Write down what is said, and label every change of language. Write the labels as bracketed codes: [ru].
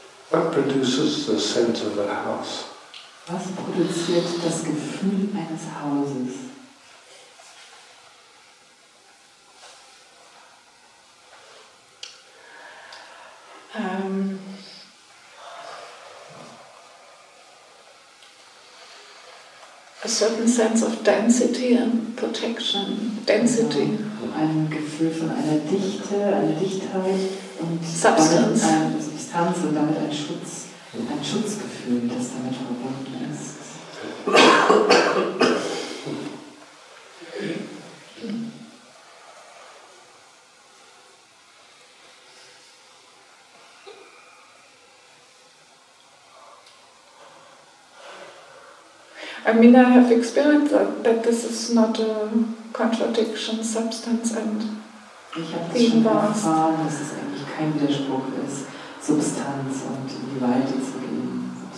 [en] What produces the sense of a house? [de] Was produziert das Gefühl eines Hauses? [en] A certain sense of density and protection. Density. [de] Ein Gefühl von einer Dichte, einer Dichtheit und Substanz. Eine Substanz und damit ein Schutz, ein Schutzgefühl, das damit verbunden ist. [en] I mean, I have experienced that this is not a contradiction, substance and being vast. [de] Ich habe erfahren, dass es eigentlich kein Widerspruch ist, Substanz und in die Weite zu gehen.